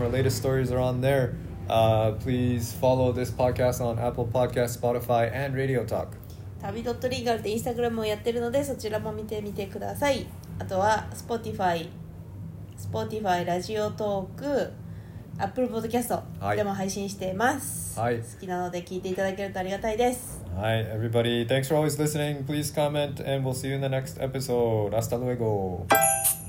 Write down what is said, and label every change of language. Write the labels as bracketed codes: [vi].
[en] Our latest stories are on there. Please follow this podcast on Apple Podcasts, Spotify, and Radio Talk. [ja] tabi.lingual でInstagramもやってるので、そちらも見てみてください。あとは Spotify、Spotify、ラジオトーク、Apple Podcast でも配信しています。はい。好きなので聞いていただけるとありがたいです。 [en] Hi, everybody. Thanks for always listening. Please comment, and we'll see you in the next episode. [es] Hasta luego.